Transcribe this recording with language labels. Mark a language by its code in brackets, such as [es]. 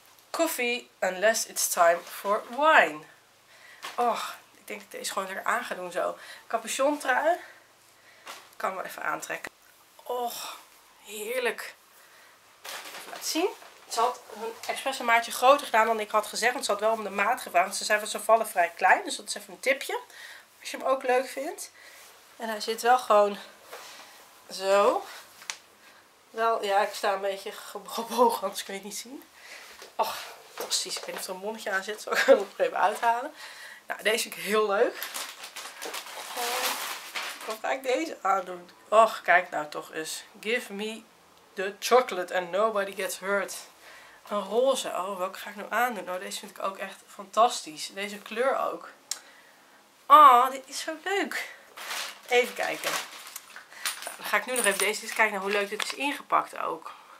[en] Coffee unless it's time for wine. [nl] Och, ik denk dat ik deze gewoon weer aan ga doen zo. Capuchon trui. Kan wel even aantrekken. Och, heerlijk. Laat zien. Ze had een expres een maatje groter gedaan dan ik had gezegd. Want ze had wel om de maat gevraagd. Ze zei van, ze vallen vrij klein. Dus dat is even een tipje. Als je hem ook leuk vindt. En hij zit wel gewoon zo. Wel, ja, ik sta een beetje gebogen. Anders kun je het niet zien. Och, fantastisch. Ik weet niet of er een mondje aan zit. Zal ik hem nog even uithalen. Nou, deze vind ik heel leuk. Wat ga ik deze aandoen? Och, kijk nou toch eens. [en] Give me... the chocolate and nobody gets hurt. [nl] Een roze. Oh, welke ga ik nou aandoen? Nou, deze vind ik ook echt fantastisch. Deze kleur ook. Oh, dit is zo leuk. Even kijken. Nou, dan ga ik nu nog even deze. Eens kijken naar hoe leuk dit is ingepakt ook.